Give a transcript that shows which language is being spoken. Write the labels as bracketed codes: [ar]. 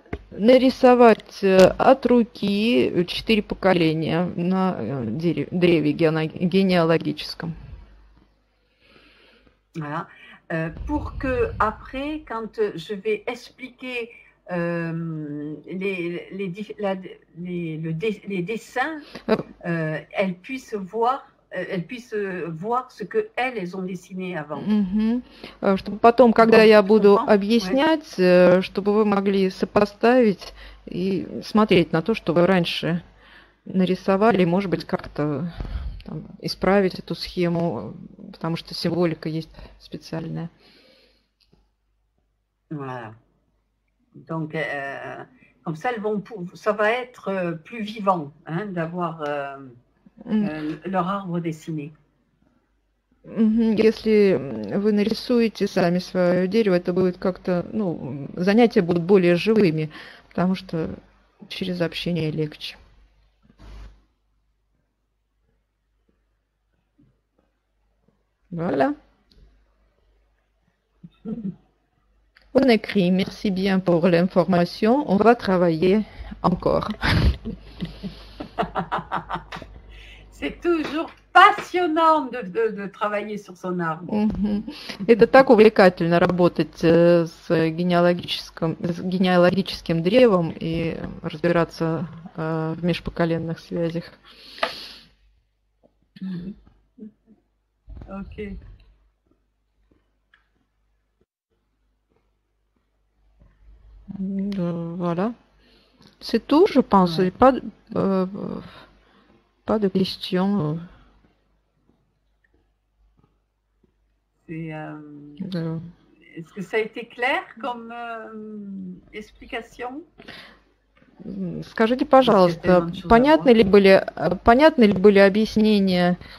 [ru] Нарисовать от руки 4 поколения на древе генеалогическом. [fr] Voilà. Pour que après, quand je vais expliquer les dessins, elles puissent voir ce que elles ont dessiné avant. [ru] Чтобы потом, когда я буду объяснять, чтобы вы могли сопоставить и смотреть на то, что вы раньше нарисовали, может быть, как-то там, исправить эту схему, потому что символика есть специальная. [fr] Voilà. Donc, comme ça, ça va être plus vivant, hein, d'avoir leur arbre dessiné. [ru] Если вы нарисуете сами свое дерево, это будет как-то, ну, занятия будут более живыми, потому что через общение легче. [fr] Voilà. On écrit, merci bien pour l'information, on va travailler encore. C'est toujours passionnant de travailler sur son arbre. [ru] Это так увлекательно работать с генеалогическим древом и разбираться в межпоколенных связях. [en] Okay. [fr] Voilà. C'est tout, je pense. Ouais. Pas, pas de questions. Est-ce que ça a été clair comme explication? [ru] Скажите, пожалуйста, понятны ли были объяснения?